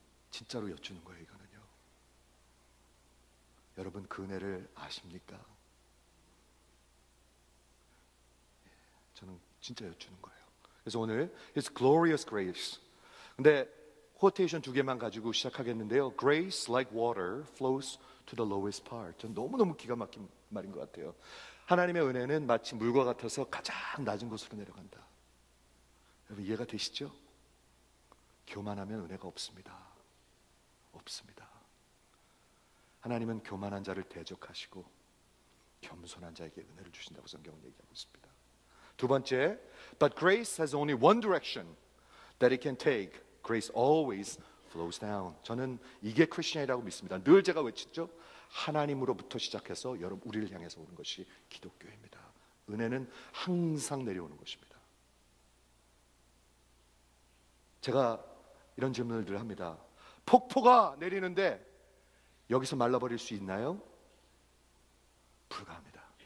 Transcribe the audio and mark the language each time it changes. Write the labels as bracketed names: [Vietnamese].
[Korean] 진짜로 여쭙는 거예요, 이거는요. 여러분 그 은혜를 아십니까? 저는 진짜 여쭙는 거예요. 그래서 오늘 [English] His glorious grace. [Korean] 근데 코테이션 두 개만 가지고 시작하겠는데요. [English] Grace like water flows to the lowest part. [Korean] 전 너무너무 기가 막힌 말인 것 같아요. 하나님의 은혜는 마치 물과 같아서 가장 낮은 곳으로 내려간다. 여러분 이해가 되시죠? 교만하면 은혜가 없습니다. 없습니다. 하나님은 교만한 자를 대적하시고 겸손한 자에게 은혜를 주신다고 성경은 얘기하고 있습니다. 두 번째, [English] But grace has only one direction that it can take. Grace always flows down. [Korean] 저는 이게 크리스천이라고 믿습니다. 늘 제가 외치죠? 하나님으로부터 시작해서 여러분 우리를 향해서 오는 것이 기독교입니다. 은혜는 항상 내려오는 것입니다. 제가 이런 질문을 늘 합니다. 폭포가 내리는데 여기서 말라버릴 수 있나요? 불가합니다.